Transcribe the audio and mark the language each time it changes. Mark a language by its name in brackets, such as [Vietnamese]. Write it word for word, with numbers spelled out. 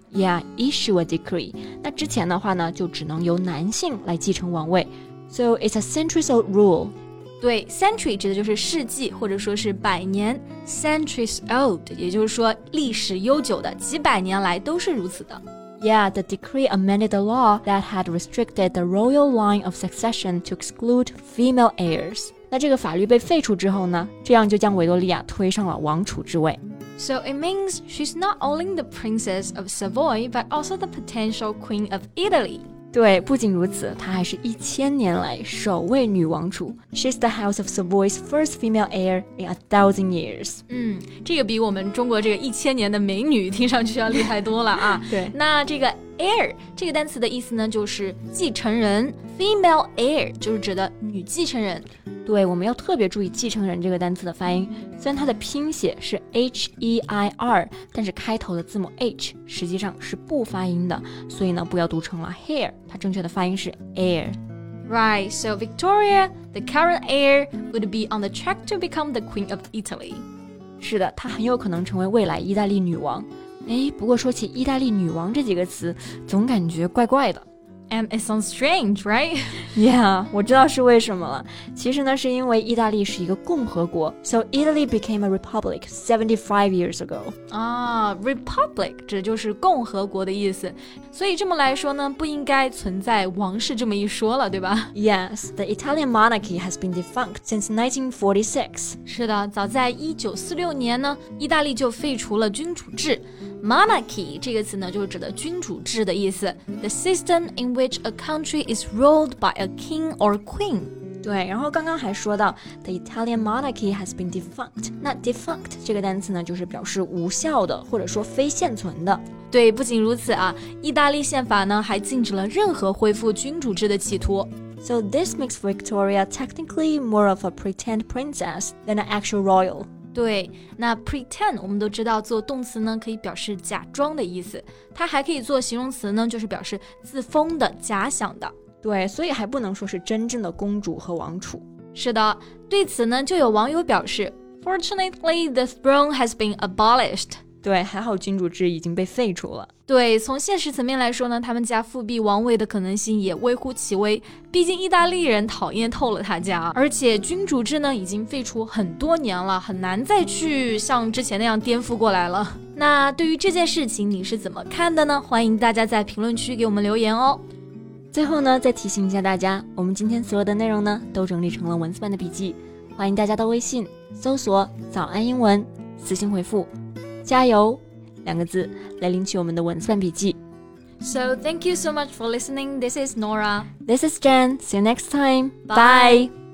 [English] Yeah, issue a decree。 [Chinese] 那之前的话呢，就只能由男性来继承王位。 [English] So it's a centuries-old rule. [Chinese] 对 century 指的就是世纪或者说是百年 centuries old 也就是说历史悠久的几百年来都是如此的 [English] Yeah, the decree amended the law that had restricted the royal line of succession to exclude female heirs [Chinese] 那这个法律被废除之后呢，这样就将维多利亚推上了王储之位 [English] So it means she's not only the princess of Savoy, but also the potential queen of Italy. [Chinese] 对，不仅如此，她还是一千年来首位女王储。 [English] She's the House of Savoy's first female heir in a thousand years. [Chinese] 嗯，这个比我们中国这个一千年的美女听上去要厉害多了啊。对，那这个 heir 这个单词的意思呢，就是继承人 ，female heir 就是指的女继承人。对，我们要特别注意继承人这个单词的发音，虽然它的拼写是 H E I R， 但是开头的字母 H 实际上是不发音的，所以呢，不要读成了 hair， 它正确的发音是 air。 [English] Right, so Victoria, the current heir, would be on the track to become the Queen of Italy. [Chinese] 是的，她很有可能成为未来意大利女王。诶，不过说起意大利女王这几个词，总感觉怪怪的。 [English] And it sounds strange, right? [Chinese] Yeah, 我知道是为什么了。其实呢，是因为意大利是一个共和国 ， [English] so Italy became a republic seventy-five years ago. [Chinese] 啊 ，republic 指就是共和国的意思，所以这么来说呢，不应该存在王室这么一说了，对吧 [English] ？Yes, the Italian monarchy has been defunct since nineteen forty-six. [Chinese] 是的，早在一九四六年呢，意大利就废除了君主制。 Monarchy 这个词呢，就是指的君主制的意思 ， [English] the system in which which a country is ruled by a king or queen. [Chinese] 对，然后刚刚还说到 [English] the Italian monarchy has been defunct. [Chinese] 那 defunct 这个单词呢，就是表示无效的，或者说非现存的。对，不仅如此啊，意大利宪法呢，还禁止了任何恢复君主制的企图。 [English] So this makes Victoria technically more of a pretend princess than an actual royal. [Chinese] 对，那 pretend 我们都知道做动词呢可以表示假装的意思，它还可以做形容词呢，就是表示自封的、假想的。对，所以还不能说是真正的公主和王储。是的，对此呢就有网友表示 [English] Fortunately, the throne has been abolished. [Chinese] 对，还好君主制已经被废除了。对，从现实层面来说呢，他们家复辟王位的可能性也微乎其微，毕竟意大利人讨厌透了他家，而且君主制呢已经废除很多年了，很难再去像之前那样颠覆过来了。那对于这件事情你是怎么看的呢？欢迎大家在评论区给我们留言哦。最后呢，再提醒一下大家，我们今天所有的内容呢都整理成了文字版的笔记，欢迎大家到微信搜索早安英文，私信回复加油两个字来领取我们的文字版笔记。 [English] So thank you so much for listening. This is Nora. This is Jen. See you next time. Bye. Bye.